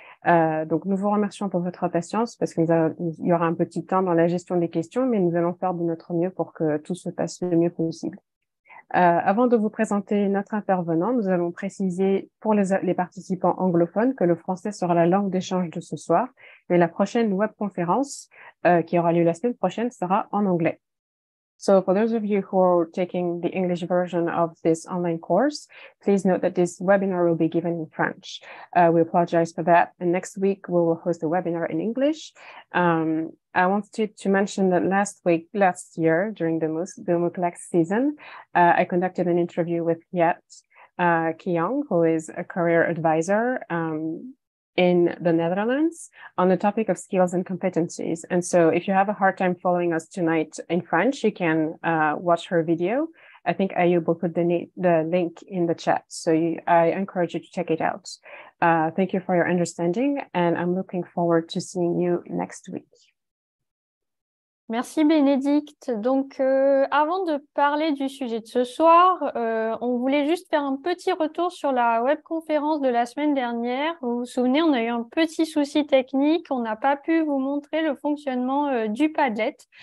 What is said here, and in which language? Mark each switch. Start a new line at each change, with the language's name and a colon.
French: Donc, nous vous remercions pour votre patience parce qu'il y aura un petit temps dans la gestion des questions, mais nous allons faire de notre mieux pour que tout se passe le mieux possible. Avant de vous présenter notre intervenant, nous allons préciser pour les participants anglophones que le français sera la langue d'échange de ce soir, mais la prochaine webconférence, qui aura lieu la semaine prochaine, sera en anglais.
English: So for those of you who are taking the English version of this online course, please note that this webinar will be given in French. We apologize for that. And next week, we will host a webinar in English. I wanted to mention that last year, during the MOOC Lex season, I conducted an interview with Jet Kiong, who is a career advisor in the Netherlands on the topic of skills and competencies. And so if you have a hard time following us tonight in French, you can watch her video. I think Ayub will put the link in the chat. So I encourage you to check it out. Thank you for your understanding, and I'm looking forward to seeing you next week.
French: Merci Bénédicte. Donc, avant de parler du sujet de ce soir, on voulait juste faire un petit retour sur la webconférence de la semaine dernière. Vous vous souvenez, on a eu un petit souci technique. On n'a pas pu vous montrer le fonctionnement, du Padlet.